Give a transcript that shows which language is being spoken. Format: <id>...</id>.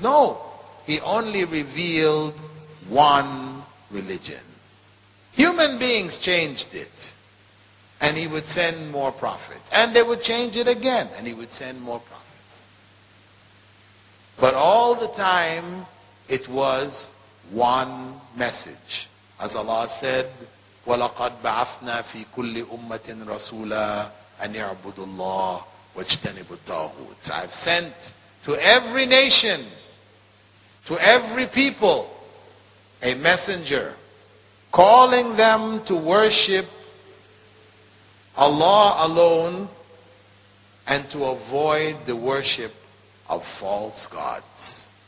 <en>No, He only revealed one religion. Human beings changed it, and He would send more prophets. And they would change it again, and He would send more prophets. But all the time, it was one message. As Allah said,</en> <ar>وَلَقَدْ بَعَثْنَا فِي كُلِّ أُمَّةٍ رَسُولًا أَنْ يَعْبُدُ اللَّهِ وَاجْتَنِبُ الطَّاغُوتِ.</ar> <en>I have sent to every nation, to every people, a messenger calling them to worship Allah alone and to avoid the worship of false gods.</en>